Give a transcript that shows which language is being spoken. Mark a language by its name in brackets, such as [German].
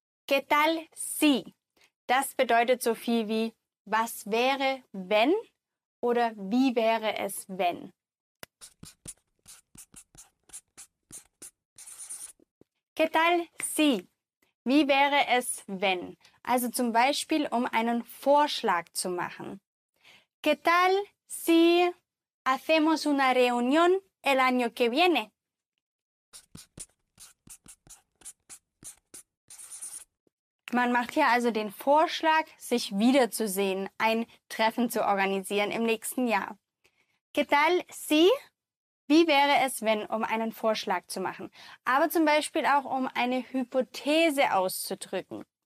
[Spanish] ¿Qué tal si? [German] Das bedeutet so viel wie was wäre, wenn oder wie wäre es, wenn? [Spanish] ¿Qué tal si? [German] Wie wäre es, wenn? Also zum Beispiel, um einen Vorschlag zu machen. [Spanish] ¿Qué tal si hacemos una reunión el año que viene? [German] Man macht hier also den Vorschlag, sich wiederzusehen, ein Treffen zu organisieren im nächsten Jahr. [Spanish] ¿Qué tal si? [German] Wie wäre es, wenn, um einen Vorschlag zu machen? Aber zum Beispiel auch, um eine Hypothese auszudrücken.